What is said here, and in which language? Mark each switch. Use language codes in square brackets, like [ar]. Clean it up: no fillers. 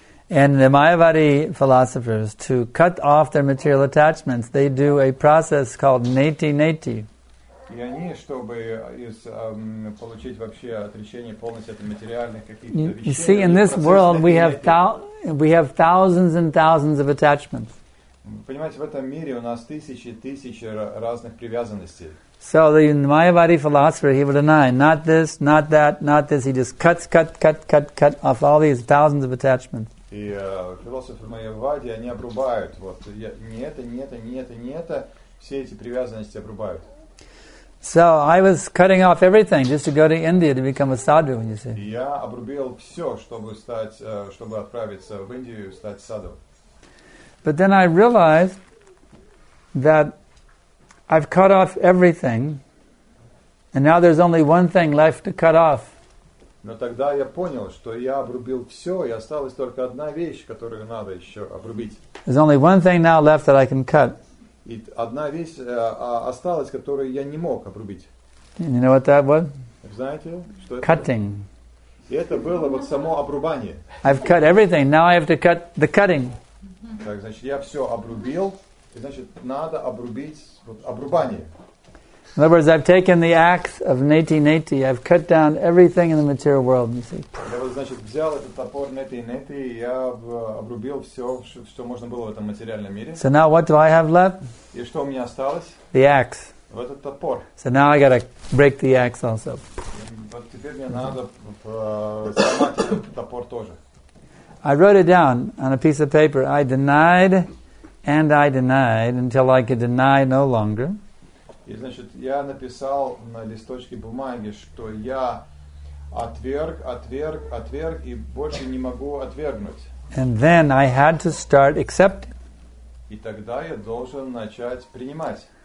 [en] And the Mayavadi philosophers, to cut off their material attachments, they do a process called neti-neti. [ru] И они, чтобы из, получить вообще отречение полностью от материальных каких-то вещей. [en] You see, in this world, we have thousands and thousands of attachments. [ru] Понимаете, в этом мире у нас тысячи и тысячи разных привязанностей. [en] So the Mayavadi philosopher, he would deny, not this, not that, not this. He just cuts off all these thousands of attachments. [ru] И философы Майявади, они обрубают, вот, не это, не это, не это, не это, все эти привязанности обрубают. [en] So I was cutting off everything just to go to India to become a sadhu, you see. [ru] Я обрубил все, чтобы стать, чтобы отправиться в Индию и стать садху. [en] But then I realized that I've cut off everything, and now there's only one thing left to cut off. [ru] Но тогда я понял, что я обрубил все, и осталась только одна вещь, которую надо еще обрубить. [en] There's only one thing now left that I can cut. [ru] И одна вещь осталась, которую я не мог обрубить. [en] You know what that was? [ru] Знаете, что [en] cutting. [ru] Это? И это было вот само обрубание. [en] I've cut everything. Now I have to cut the cutting. [ru] Так, значит, я все обрубил. И значит, надо обрубить вот обрубание. [en] In other words, I've taken the axe of neti-neti. I've cut down everything in the material world. You see. [ru] Я вот, значит, взял этот топор neti-neti, и я обрубил все, что можно было в этом материальном мире. [en] So now, what do I have left? [ru] И что у меня осталось? [en] The axe. [ru] В этот топор. [en] So now I gotta break the axe also. [ru] Вот теперь мне надо сломать этот топор тоже. [en] I wrote it down on a piece of paper. I denied, and I denied until I could deny no longer. [ru] И, значит, я написал на листочке бумаги, что я отверг, отверг, отверг, и больше не могу отвергнуть. [en] And then I had to start accepting. [ru] И тогда я должен начать принимать.